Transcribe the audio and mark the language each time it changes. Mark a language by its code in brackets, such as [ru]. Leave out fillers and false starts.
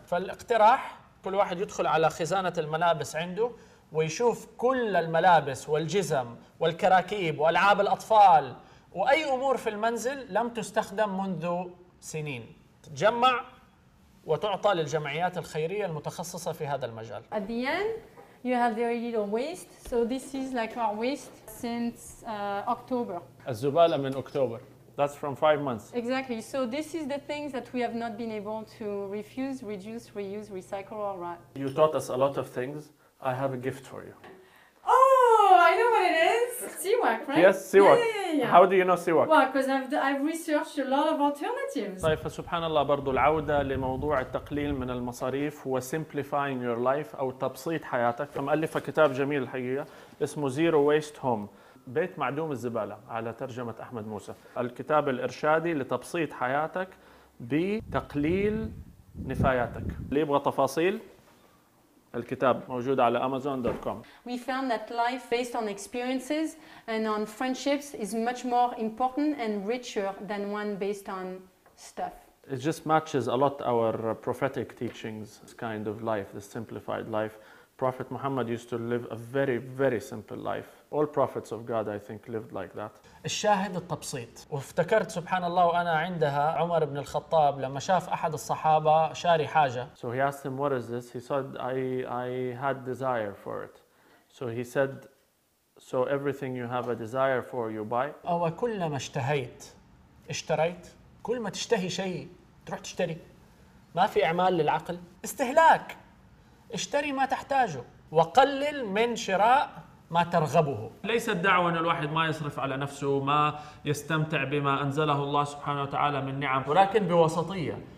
[ar] فالاقتراح كل واحد يدخل على خزانة الملابس عنده ويشوف كل الملابس والجزم والكراكيب وألعاب الأطفال وأي أمور في المنزل لم تستخدم منذ سنين، تجمع وتعطى للجمعيات الخيرية المتخصصة في هذا المجال. [en] At the end, you have very little waste. So this is like our waste since October. [ar] الزبالة من أكتوبر. [en] That's from 5 months. Exactly. So this is the things that we have not been able to refuse, reduce, reuse, recycle, or wrap. You taught us a lot of things. I have a gift for you. Oh, I know what it is. Siwak, right? Yes, Siwak. Yeah, yeah, yeah. How do you know Siwak? Well, because I've researched a lot of alternatives. [ar] طيب فسبحانالله برضو العودة لموضوع التقليل من المصاريف و [en] simplifying your life [ar] أو تبسيط حياتك. فمؤلفة كتاب جميل الحقيقة اسمه Zero Waste Home. بيت معدوم الزبالة على ترجمة أحمد موسى، الكتاب الإرشادي لتبسيط حياتك بتقليل نفاياتك. اللي يبغى تفاصيل الكتاب موجود على amazon.com. [en] We found that life based on experiences and on friendships is much more important and richer than one based on stuff. It just matches a lot our prophetic teachings, this kind of life, this simplified life. Prophet Muhammad used to live a very, very simple life. All prophets of God, I think, lived like that. [ar] الشاهد التبسيط. وافتكرت سبحان الله وأنا عندها عمر بن الخطاب لما شاف أحد الصحابة شاري حاجة. [en] So he asked him, what is this? He said, I had desire for it. So he said, so everything you have a desire for, you buy. [ar] أو كلما اشتهيت اشتريت. كل ما تشتهي شيء تروح تشتري. ما في إعمال للعقل. استهلاك. اشتري ما تحتاجه وقلل من شراء ما ترغبه. ليس الدعوة أن الواحد ما يصرف على نفسه وما يستمتع بما أنزله الله سبحانه وتعالى من نعم، ولكن بوسطية.